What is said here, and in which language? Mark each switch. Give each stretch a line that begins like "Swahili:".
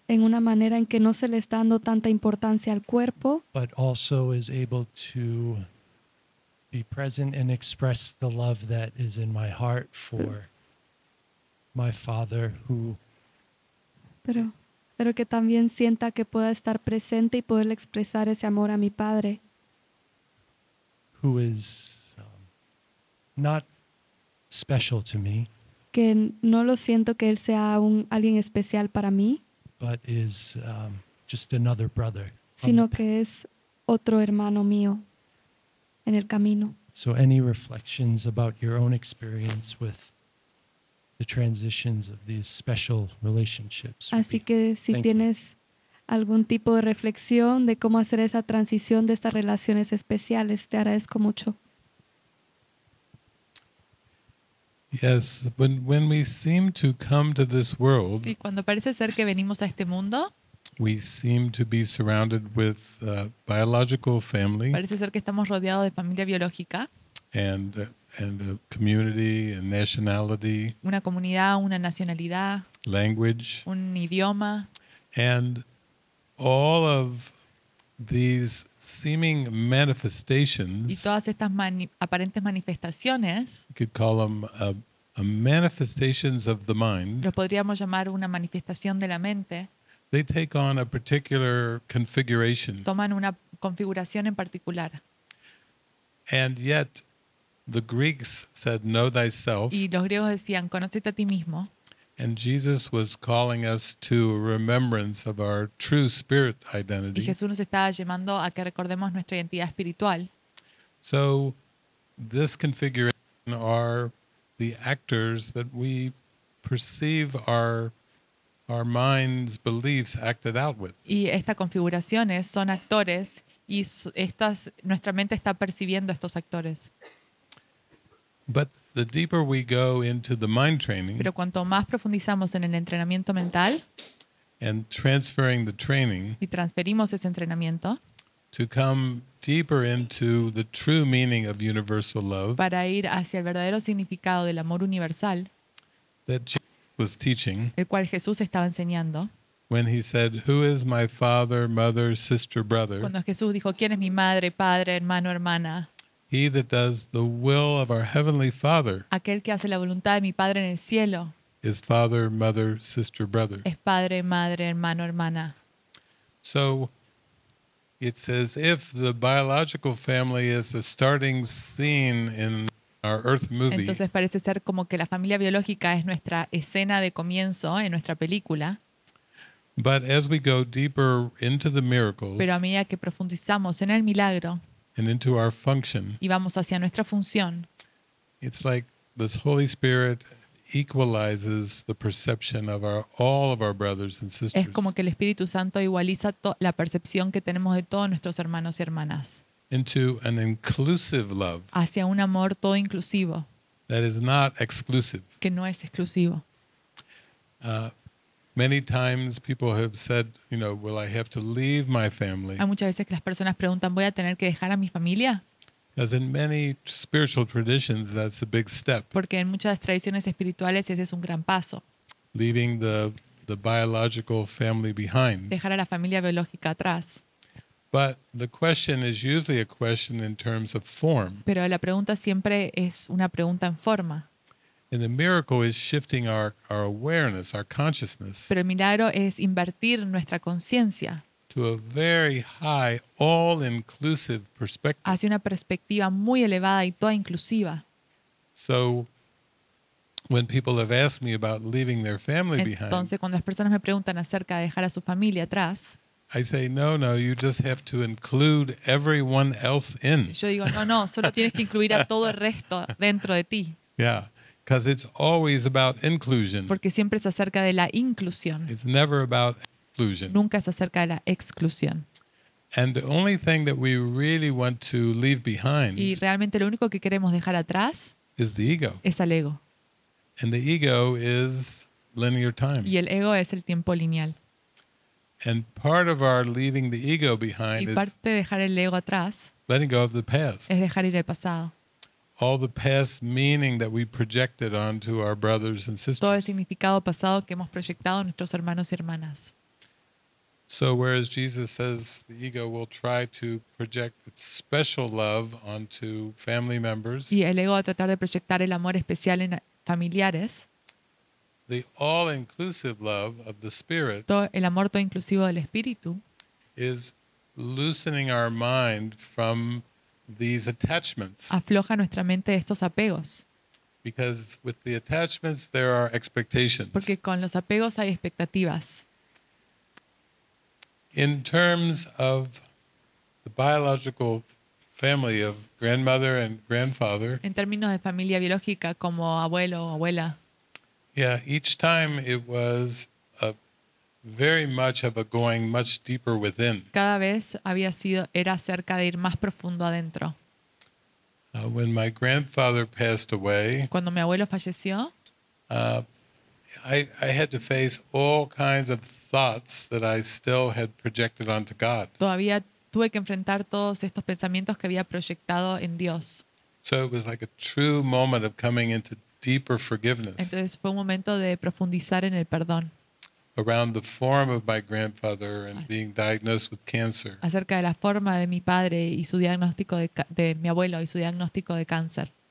Spanish: En una manera en que no se le está dando tanta importancia al cuerpo.
English: But also is able to be present and express the love that is in my heart for my father who...
Spanish: Pero que también sienta que pueda estar presente y poderle expresar ese amor a mi padre.
English: Who is not special to me.
Spanish: Que no lo siento que él sea alguien especial para mí.
English: But is just another brother.
Spanish: Sino que es otro hermano mío en el camino.
English: So any reflections about your own experience with the transitions of these special relationships?
Spanish: Así que si tienes algún tipo de reflexión de cómo hacer esa transición de estas relaciones especiales, te agradezco mucho.
English: Yes, when we seem to come to this world,
Spanish: sí, cuando parece ser que venimos a este mundo,
English: we seem to be surrounded with a biological family.
Spanish: Parece ser que estamos rodeados de familia biológica.
English: And a community and nationality.
Spanish: Una comunidad, una nacionalidad.
English: Language.
Spanish: Un idioma.
English: And all of these seeming manifestations.
Spanish: Y todas estas aparentes manifestaciones.
English: You could call them a manifestations of the mind.
Spanish: Los podríamos llamar una manifestación de la mente.
English: They take on a particular configuration.
Spanish: Toman una configuración en particular.
English: And yet, the Greeks said, "Know thyself."
Spanish: Y los griegos decían, "Conócete a ti mismo."
English: And Jesus was calling us to a remembrance of our true spirit identity.
Spanish: Y Jesús nos estaba llamando a que recordemos nuestra identidad espiritual.
English: So, this configuration are the actors that we perceive our mind's beliefs acted out with.
Spanish: Y estas configuraciones son actores y nuestra mente está percibiendo estos actores.
English: But the deeper we go into the mind training,
Spanish: pero cuanto más profundizamos en el entrenamiento mental,
English: and transferring the training,
Spanish: y transferimos ese entrenamiento,
English: to come deeper into the true meaning of universal love,
Spanish: para ir hacia el verdadero significado del amor universal,
English: that was teaching,
Spanish: el cual Jesús estaba enseñando,
English: when he said, "Who is my father, mother, sister, brother?"
Spanish: Cuando Jesús dijo, ¿quién es mi madre, padre, hermano, hermana?
English: He that does the will of our heavenly Father.
Spanish: Aquel que hace la voluntad de mi padre en el cielo.
English: Is father, mother, sister, brother.
Spanish: Es padre, madre, hermano, hermana.
English: So, It's as if the biological family is the starting scene in our Earth movie.
Spanish: Entonces parece ser como que la familia biológica es nuestra escena de comienzo en nuestra película.
English: But as we go deeper into the miracles,
Spanish: pero a medida que profundizamos en el milagro,
English: and into our function,
Spanish: y vamos hacia nuestra función,
English: it's like this Holy Spirit equalizes the perception of all of our brothers and sisters.
Spanish: Es como que el Espíritu Santo igualiza la percepción que tenemos de todos nuestros hermanos y hermanas.
English: Into an inclusive love.
Spanish: Hacia un amor todo inclusivo.
English: That is not exclusive.
Spanish: Que no es exclusivo.
English: Many times people have said, you know, will I have to leave my family?
Spanish: Hay muchas veces que las personas preguntan, ¿voy a tener que dejar a mi familia?
English: As in many spiritual traditions, that's a big step.
Spanish: Porque en muchas tradiciones espirituales ese es un gran paso.
English: Leaving the biological family behind.
Spanish: Dejar a la familia biológica atrás.
English: But the question is usually a question in terms of form.
Spanish: Pero la pregunta siempre es una pregunta en forma.
English: And the miracle is shifting our awareness, our consciousness.
Spanish: Pero el milagro es invertir nuestra conciencia.
English: To a very high, all-inclusive perspective.
Spanish: Hacia una perspectiva muy elevada y toda inclusiva.
English: So, when people have asked me about leaving their family behind.
Spanish: Entonces, cuando las personas me preguntan acerca de dejar a su familia atrás.
English: I say, no, you just have to include everyone else in.
Spanish: Yo digo, no, solo tienes que incluir a todo el resto dentro de ti.
English: Yeah. Because it's always about inclusion.
Spanish: Porque siempre es acerca de la inclusión.
English: It's never about exclusion.
Spanish: Nunca es acerca de la exclusión.
English: And the only thing that we really want to leave behind.
Spanish: Y realmente lo único que queremos dejar atrás.
English: Is the ego.
Spanish: Es al ego.
English: And the ego is linear time.
Spanish: Y el ego es el tiempo lineal.
English: And part of our leaving the ego behind.
Spanish: Y parte de dejar el ego atrás.
English: Letting go of the past.
Spanish: Es dejar ir el pasado.
English: All the past meaning that we projected onto our brothers and sisters.
Spanish: Todo el significado pasado que hemos proyectado a nuestros hermanos y hermanas.
English: So whereas Jesus says the ego will try to project its special love onto family members.
Spanish: Y el ego va a tratar de proyectar el amor especial en familiares.
English: The all-inclusive love of the Spirit.
Spanish: Todo el amor todo inclusivo del Espíritu.
English: Is loosening our mind from these attachments.
Spanish: Afloja nuestra mente de estos apegos.
English: Because with the attachments there are expectations.
Spanish: Porque con los apegos hay expectativas.
English: In terms of the biological family of grandmother and grandfather.
Spanish: En términos de familia biológica como abuelo o abuela.
English: Yeah, each time it was a very much of a going much deeper within.
Spanish: Cada vez había sido era cerca de ir más profundo adentro.
English: When my grandfather passed away.
Spanish: Cuando mi abuelo falleció.
English: I had to face all kinds of thoughts that I still had projected onto God.
Spanish: Todavía tuve que enfrentar todos estos pensamientos que había proyectado en Dios.
English: So it was like a true moment of coming into deeper forgiveness.
Spanish: Entonces fue un momento de profundizar en el perdón.
English: Around the form of my grandfather and being diagnosed with cancer.
Spanish: Acerca de la forma de mi padre y su diagnóstico de mi abuelo y su diagnóstico de cáncer.